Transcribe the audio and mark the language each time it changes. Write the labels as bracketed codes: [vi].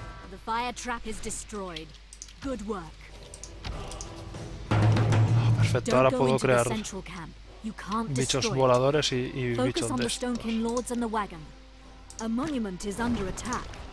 [en] The fire trap is destroyed. Good work. [es] Perfecto, ahora puedo crear bichos voladores y bichos de Stonekin Lords [en] and the wagon. A monument is under attack.